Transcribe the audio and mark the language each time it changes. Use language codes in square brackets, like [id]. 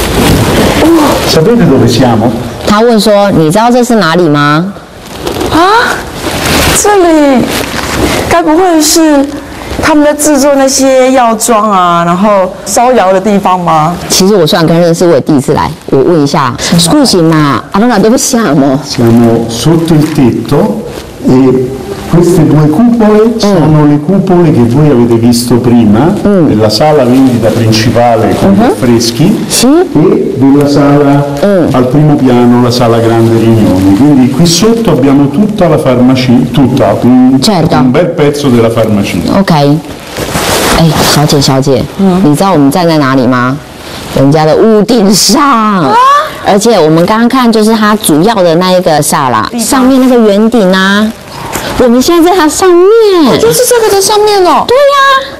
[it] 哎，Sapete dove siamo？ [zh] 他问说：“你知道这是哪里吗？” 啊，这里，该不会是他们在制作那些药妆啊，然后烧窑的地方吗？其实我虽然跟认识，我也第一次来，我问一下。 [it] Scusi ma, allora dove siamo? Siamo sotto il tetto e queste due cupole sono le cupole che voi avete visto prima della sala vendita principale con gli affreschi e della sala al primo piano, la sala grande riunioni. Quindi qui sotto abbiamo tutta la farmacia, tutta un bel pezzo della farmacia. Ok. [zh] 哎，小姐小姐，你知道我们站在哪里吗？人家的屋顶上。而且我们刚刚看就是它主要的那一个萨拉上面那个圆顶啊。我们现在在它上面，就是这个的上面哦。对呀，